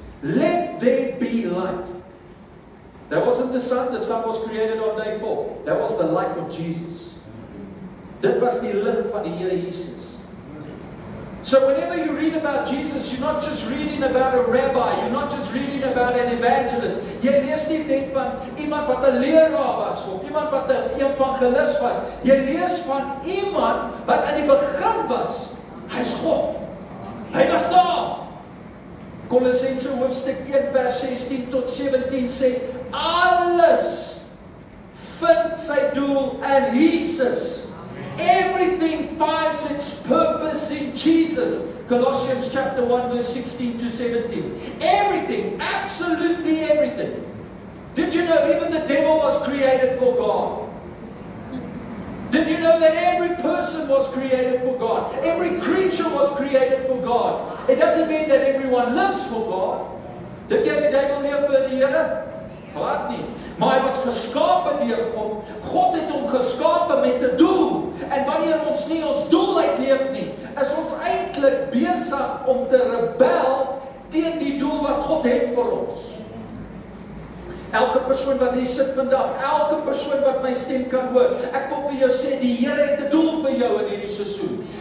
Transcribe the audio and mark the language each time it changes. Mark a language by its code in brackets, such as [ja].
[en] Let there be light. That wasn't the sun. The sun was created on day 4. That was the light of Jesus. [af] Dit was die lig van die Here Jesus. [en] So whenever you read about Jesus, you're not just reading about a rabbi. You're not just reading about an evangelist. [af] Jy lees nie net van iemand wat 'n leraar was, of iemand wat 'n evangelist was. Jy lees van iemand wat in die begin was. Hy's God. Hy was daar. Kolossense hoofstuk 1 vers 16 tot 17 sê, alles vind sy doel in Jesus. [en] Everything finds its purpose in Jesus. Colossians chapter 1 verse 16 to 17. Everything, absolutely everything. Did you know even the devil was created for God? Did you know that every person was created for God? Every creature was created for God. It doesn't mean that everyone lives for God. Did you know the devil live for the Here? [af] glad nie. Maar hy was geskape deur God. God het hom geskape met 'n doel. En wanneer ons nie ons doel uitleef nie, is ons eintlik besig om te rebel teen die doel wat God het vir ons. Elke persoon wat hier sit vandag, elke persoon wat my stem kan hoor, ek wil vir jou sê, die Here het 'n doel vir jou in hierdie seisoen.